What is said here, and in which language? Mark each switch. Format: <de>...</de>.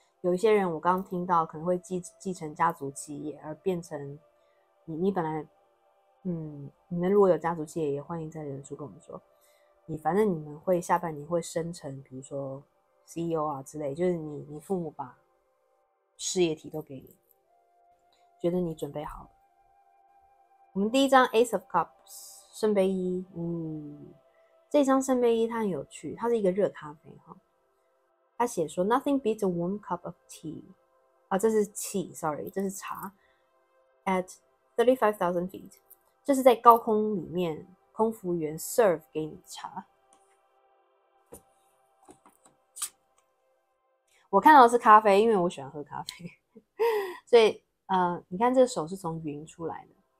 <zh>有一些人我刚听到可能会继承家族企业而变成你本来你们如果有家族企业也欢迎在脸书跟我们说，你反正你们会下半年会升成比如说 CEO 啊之类，就是你父母把事业体都给你，觉得你准备好了。我们第一张 Ace of Cups 圣杯一，这张圣杯一它很有趣，它是一个热咖啡哈。</zh> <en>他写说，Nothing beats a warm cup of tea，啊，这是 tea，sorry，这是茶。</en> <zh>At 35,000 feet，这是在高空里面，空服员 serve 给你茶。我看到的是咖啡，因为我喜欢喝咖啡，所以你看这个手是从云出来的。</zh>